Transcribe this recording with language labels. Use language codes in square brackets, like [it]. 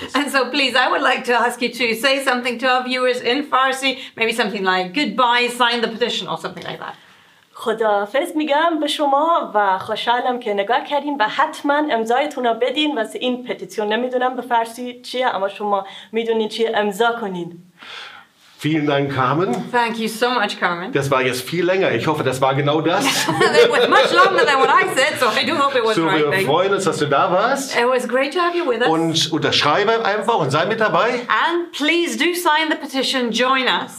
[en] And so please, I would like to ask you to say something to our viewers in Farsi, maybe something like goodbye, sign the petition or something like that. [fa] خدا حافظ میگم به شما و خوشحالم که نگاه کردین و حتما امضایتون رو بدین واسه این پتیسیون. نمیدونم به فارسی چیه اما شما میدونین چیه، امضا کنین. [de] Vielen Dank, Carmen. [en] Thank you so much, Carmen. [de] Das war jetzt viel länger. Ich hoffe, das war genau das. [en] It was much longer than what I said, so I do hope it was so, right. [de] So, wir freuen uns, dass du da warst. [en] It was great to have you with us. [de] Und unterschreibe einfach und sei mit dabei. [en] And please do sign the petition. Join us.